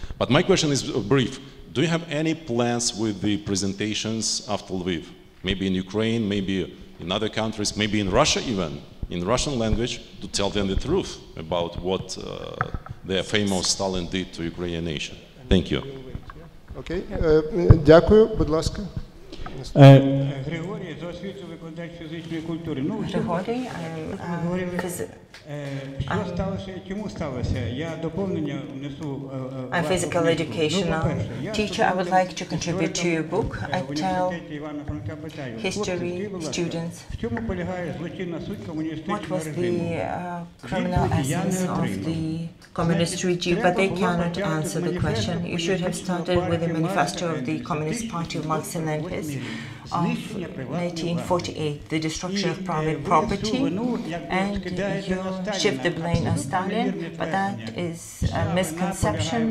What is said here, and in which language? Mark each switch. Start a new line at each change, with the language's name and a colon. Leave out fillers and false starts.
English: But my question is brief. Do you have any plans with the presentations after Lviv? Maybe in Ukraine, maybe in other countries, maybe in Russia even, in Russian language, to tell them the truth about what their famous Stalin did to Ukrainian nation. Thank you.
Ukrainian: Okay, дякую, будь ласка. Григорій, з освіту викладач фізичної культури. Ну, Григорій, ми говорили, що сталося, чому сталося? Я доповнення внесу.
English: I'm physical educational teacher. I would like to contribute to your book. I tell history students.
Ukrainian: В чому полягає злочинна суть комуністичного режиму?
English: What was the criminal essence of the communist regime? But they cannot answer the question. You should have started with the manifesto of the Communist Party of Marx and Engels of 1948, the destruction of private property, and you shift the blame on Stalin, but that is a misconception.